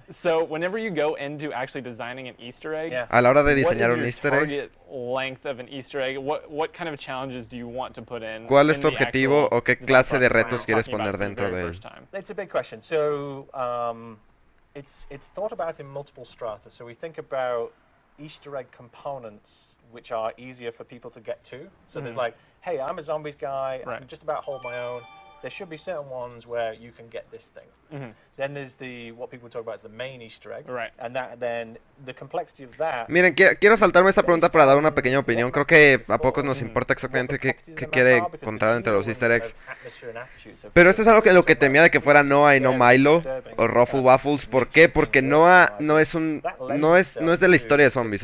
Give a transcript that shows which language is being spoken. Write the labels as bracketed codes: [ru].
[en] So whenever you go into actually designing an Easter egg, [es] a la hora de diseñar [en] what is [es] un Easter egg, [en] length of an Easter egg, what kind of challenges do you want to put in? [es] ¿Cuál es tu objetivo o qué clase de retos quieres poner dentro de él? [en] It's a big question. So it's thought about in multiple strata. So we think about Easter egg components which are easier for people to get to. So there's like, hey, I'm a zombies guy, I can just about hold my own. There should be certain ones where you can get this thing. Then there's the what people talk about is the main Easter egg. Right. And that then the complexity of that. [es] Miren, quiero saltarme esta pregunta para dar una pequeña opinión. Creo que a pocos nos importa exactamente qué quiere encontrar entre los Easter eggs. Pero esto es algo que lo que temía de que fuera Noah y no Milo o Ruffle Waffles. ¿Por qué? Porque Noah no es de la historia de zombies.